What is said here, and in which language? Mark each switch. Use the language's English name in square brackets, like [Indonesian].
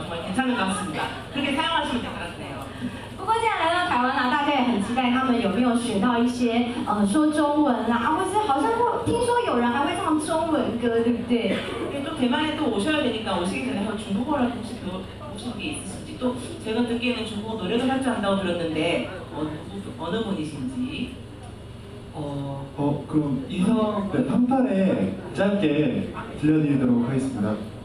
[Korean] 정말 괜찮은 것 같습니다. 그렇게 사용하시면 될 것 같네요. [Chinese] 不过既然来到台湾啊，大家也很期待他们有没有学到一些说中文啊，或是好像会听说有人还会唱中文歌，对不对？因为 [Korean] 또 대만에 또 오셔야 되니까 오시기 전에 한번 중국어를 혹시 배우신 게 있으신지 또 제가 듣기에는 중국어 노래도 할 줄 안다고 들었는데 어느 분이신지 그럼 인사 네, 한 판에 짧게 들려드리도록 하겠습니다.